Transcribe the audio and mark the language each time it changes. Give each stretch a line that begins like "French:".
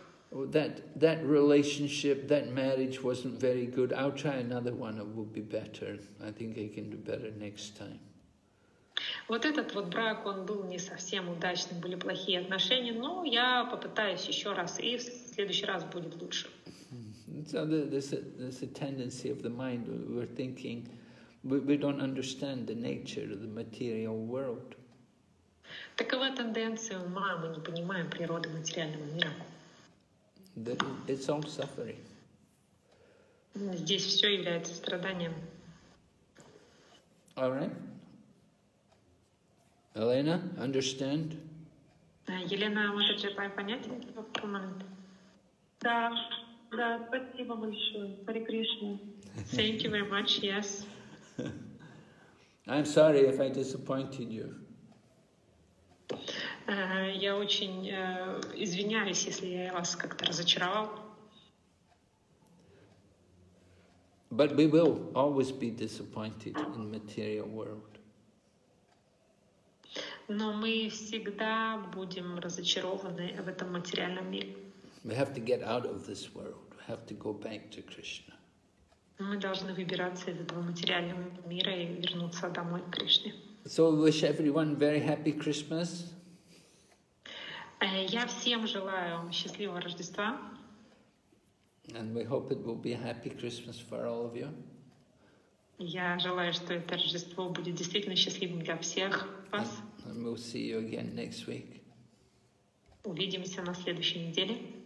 English: Oh, that relationship, that marriage wasn't very good. I'll try another one. It will be better. I think I can do better next time.
Russian: Вот этот вот брак, он был не совсем удачным, были плохие отношения. Но я попытаюсь еще раз, и в следующий раз будет лучше.
English: So there's a tendency of the mind. We're thinking, we don't understand the nature of the material world.
Russian: Такова тенденция ума, мы не понимаем природы материального мира.
English: It's all suffering.
Russian: Здесь все является страданием.
English: All right. Elena, understand?
Russian: Елена, может, же понятен этот момент? Да, да, спасибо большое. Hare Krishna.
English: Thank you very much, yes. I'm sorry if I disappointed you.
Russian: Я очень извиняюсь, если я вас как-то разочаровал.
English: But we will always be disappointed in the material world.
Russian: Но мы всегда будем разочарованы в этом материальном мире.
English: We have to get out of this world. We have to go back to Krishna.
Russian: Мы должны выбираться из этого материального мира и вернуться домой к Кришне.
English: So I wish everyone very happy Christmas.
Russian: Я всем желаю вам счастливого Рождества.
English: And we hope it will be a happy Christmas for all of you.
Russian: Я желаю, что это Рождество будет действительно счастливым для всех вас.
English: And we'll see you again next week.
Russian: Увидимся на следующей неделе.